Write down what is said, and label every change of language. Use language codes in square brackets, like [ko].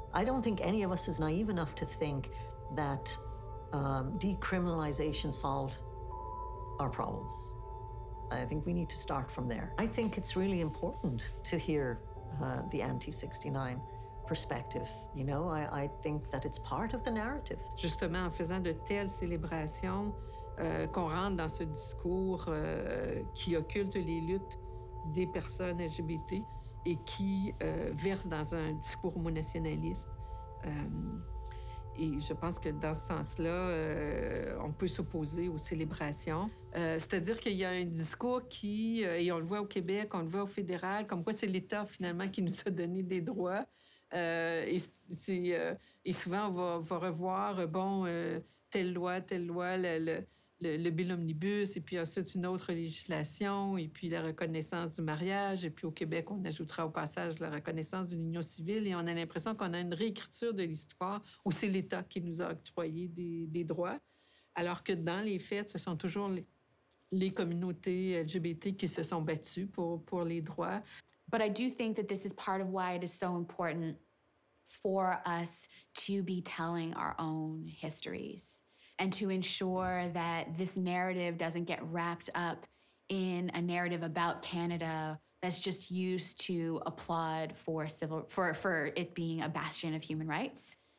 [en] I don't think any of us is naive enough to think that decriminalization solved our problems. I think we need to start from there. I think it's really important to hear the anti-69 perspective. You know, I think that it's part of the narrative. [fr] Justement, en faisant de telles célébrations, qu'on rentre dans ce discours qui occulte les luttes des personnes LGBT et qui verse dans un discours homonationaliste. Et je pense que dans ce sens-là, on peut s'opposer aux célébrations. C'est-à-dire qu'il y a un discours qui, et on le voit au Québec, on le voit au fédéral, comme quoi c'est l'État finalement qui nous a donné des droits. Et souvent, on va revoir, telle loi, le bill omnibus, et puis ensuite une autre législation, et puis la reconnaissance du mariage, et puis au Québec, on ajoutera au passage la reconnaissance de l'union civile, et on a l'impression qu'on a une réécriture de l'histoire où c'est l'État qui nous a octroyé des droits, alors que dans les faits, ce sont toujours les communautés LGBT qui se sont battues pour les droits. [en] But I do think that this is part of why it is so important for us to be telling our own histories and to ensure that this narrative doesn't get wrapped up in a narrative about Canada that's just used to applaud for it being a bastion of human rights.